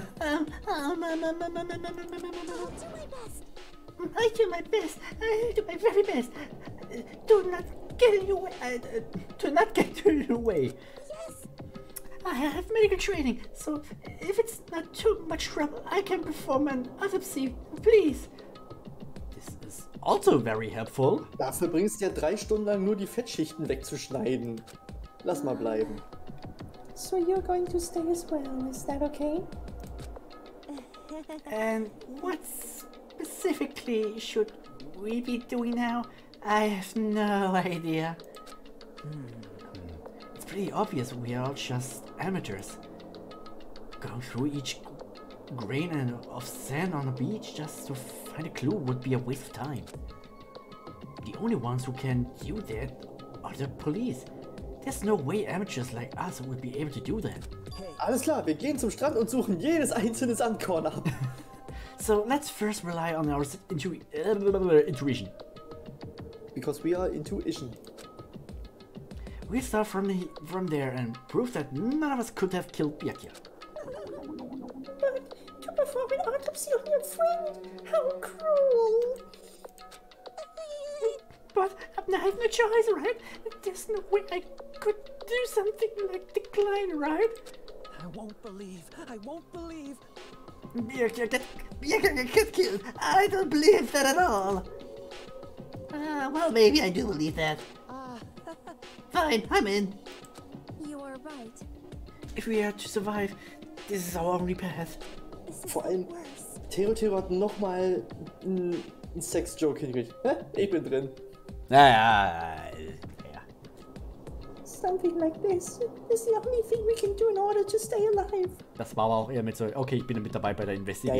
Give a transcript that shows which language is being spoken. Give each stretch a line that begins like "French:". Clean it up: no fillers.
English: I do my best. I do my very best. Do not get in your way. Do not get in your way. Yes. I have medical training, so if it's not too much trouble, I can perform an autopsy, please. This is also very helpful.
German: Dafür bringst du ja 3 Stunden lang nur die Fettschichten wegzuschneiden. Lass mal bleiben.
English: So you're going to stay as well, is that okay? And what's... specifically, should we be doing now? I have no idea. It's pretty obvious we are all just amateurs. Going through each grain of sand on the beach just to find a clue would be a waste of time. The only ones who can do that are the police. There's no way amateurs like us would be able to do that.
German: Alles klar, wir gehen zum Strand und suchen jedes einzelne Sandkorn ab.
English: So let's first rely on our intuition. Because we are intuition. We start from there and prove that none of us could have killed Byakuya. But to perform an autopsy on your friend? How cruel! But I have no choice, right? There's no way I could do something like decline, right? I won't believe! Get killed! I don't believe that at all! Well, maybe I do believe that. Fine, I'm in. You are right. If we are to survive, this is our only path. This is
German: vor allem, Theo hat nochmal einen Sex-Joke hingekriegt. Ich bin drin. Naja.
English: Something like this is the only thing we can do in order to stay alive.
German: Das war aber auch eher mit so, okay, ich bin mit dabei bei der Investigation.